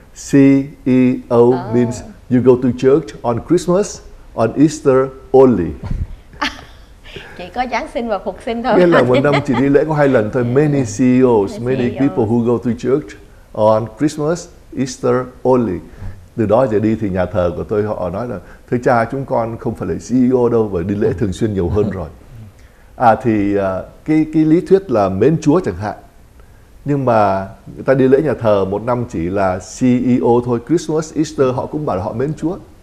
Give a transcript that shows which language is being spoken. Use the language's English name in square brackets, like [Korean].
[English] CEO means you go to church on Christmas, on Easter only. [Vietnamese] Chỉ có Giáng sinh và Phục sinh thôi. Nghĩa là một năm chỉ đi lễ có 2 lần thôi. [English] Many CEOs, many people who go to church on Christmas, Easter only. [Vietnamese] Từ đó trở đi thì nhà thờ của tôi họ nói là thưa cha, chúng con không phải là CEO đâu, và đi lễ thường xuyên nhiều hơn rồi. Thì cái lý thuyết là mến Chúa chẳng hạn. Nhưng mà người ta đi lễ nhà thờ một năm chỉ là CEO thôi, Christmas, Easter họ cũng bảo là họ mến Chúa.